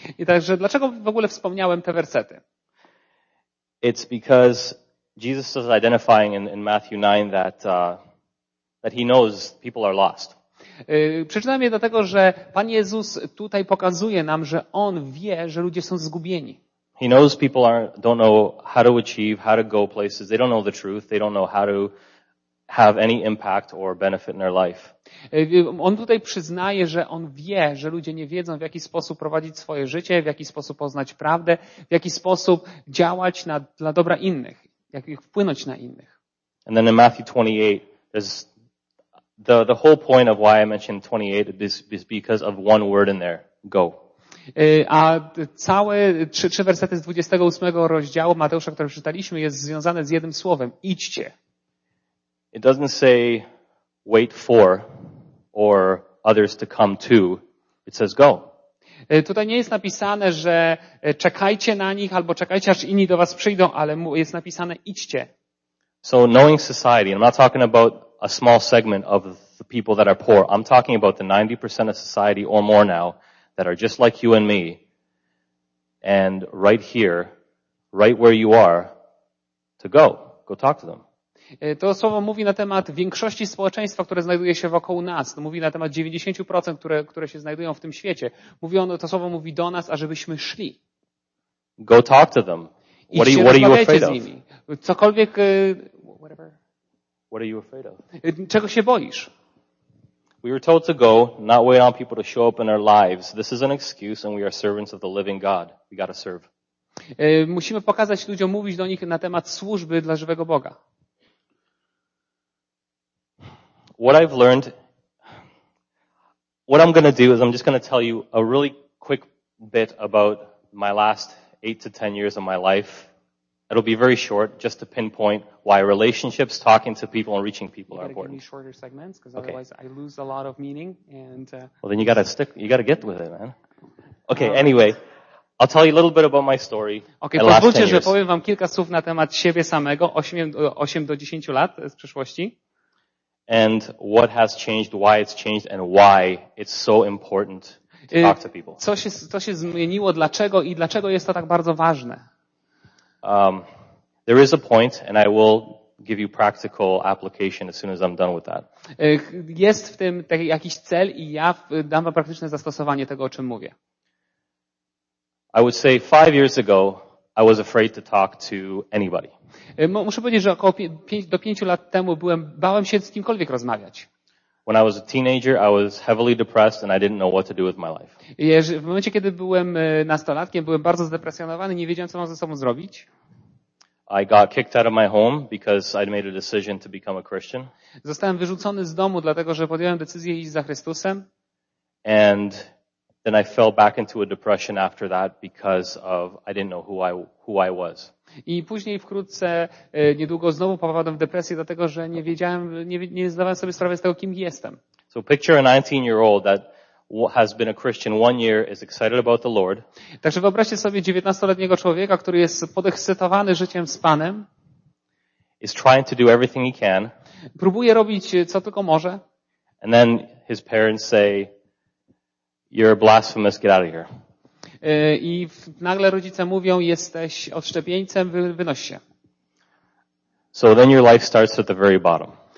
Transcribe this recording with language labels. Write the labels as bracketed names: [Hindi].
[Polish] I także, dlaczego w ogóle wspomniałem te wersety? [English] It's because Jesus is identifying in Matthew 9 that he knows people are lost. [Polish] Przeczytam je dlatego, że Pan Jezus tutaj pokazuje nam, że on wie, że ludzie są zgubieni. [English] He knows people don't know how to achieve, how to go places. They don't know the truth. They don't know how to have any impact or benefit in their life. [Polish] On tutaj przyznaje, że on wie, że ludzie nie wiedzą, w jaki sposób prowadzić swoje życie, w jaki sposób poznać prawdę, w jaki sposób działać dla dobra innych, jak ich wpłynąć na innych. [English] And then in Matthew 28, the whole point of why I mentioned 28 is because of one word in there, go. [Polish] A całe trzy wersety z 28 rozdziału Mateusza, które przeczytaliśmy, jest związane z jednym słowem, idźcie. [English] It doesn't say wait for or others to come to. It says go. [Polish] Tutaj nie jest napisane, że czekajcie na nich albo czekajcie, aż inni do was przyjdą, ale jest napisane idźcie. [English] So knowing society, I'm not talking about a small segment of the people that are poor. I'm talking about the 90% of society or more now that are just like you and me. And right here, right where you are, to go. Go talk to them. [Polish] To słowo mówi na temat większości społeczeństwa, które znajduje się wokół nas. To mówi na temat 90%, które się znajdują w tym świecie. To słowo mówi do nas, ażebyśmy szli. [English] Go talk to them. What are you afraid of? [Polish] Cokolwiek, [English] whatever. What are you afraid of? [Polish] Czego się boisz? [English] We were told to go, not wait on people to show up in our lives. This is an excuse, and we are servants of the living God. We got to serve. [Polish] Musimy pokazać ludziom, mówić do nich na temat służby dla żywego Boga. [English] What I've learned, what I'm going to do is I'm just going to tell you a really quick bit about my last 8 to 10 years of my life. It'll be very short, just to pinpoint why relationships, talking to people, and reaching people are important. You gotta give me shorter segments, because otherwise I lose a lot of meaning. And well, then you gotta get with it, man. Okay. Anyway, I'll tell you a little bit about my story. [Polish] Okay, pozwólcie, że powiem wam kilka słów na temat siebie samego, 8 do 10 lat z przeszłości. [English] And what has changed, why it's changed, and why it's so important to talk to people. [Polish] Co się zmieniło, dlaczego i dlaczego jest to tak bardzo ważne? [English] There is a point, and I will give you practical application as soon as I'm done with that. [Polish] Jest w tym taki jakiś cel i ja dam wam praktyczne zastosowanie tego, o czym mówię. [English] I would say 5 years ago, I was afraid to talk to anybody. [Polish] Muszę powiedzieć, że około 5 lat temu bałem się z kimkolwiek rozmawiać. [English] When I was a teenager, I was heavily depressed and I didn't know what to do with my life. [Polish] W momencie, kiedy byłem nastolatkiem, byłem bardzo zdepresjonowany, nie wiedziałem, co mam ze sobą zrobić. [English] I got kicked out of my home because I'd made a decision to become a Christian. [Polish] Zostałem wyrzucony z domu, dlatego że podjąłem decyzję iść za Chrystusem. [English] And then I fell back into a depression after that because of I didn't know who I was. [Polish] I później wkrótce, niedługo znowu popadłem w depresję, dlatego że nie zdawałem sobie sprawy z tego, kim jestem. [English] So picture a 19-year-old that has been a Christian 1 year, is excited about the Lord. [Polish] Także wyobraźcie sobie 19-letniego człowieka, który jest podekscytowany życiem z Panem. [English] Is trying to do everything he can. [Polish] Próbuje robić, co tylko może. [English] And then his parents say, you're blasphemous, get out of here. [Polish] I nagle rodzice mówią, jesteś odszczepieńcem, wynoś się. [English] So then your life starts at the very bottom.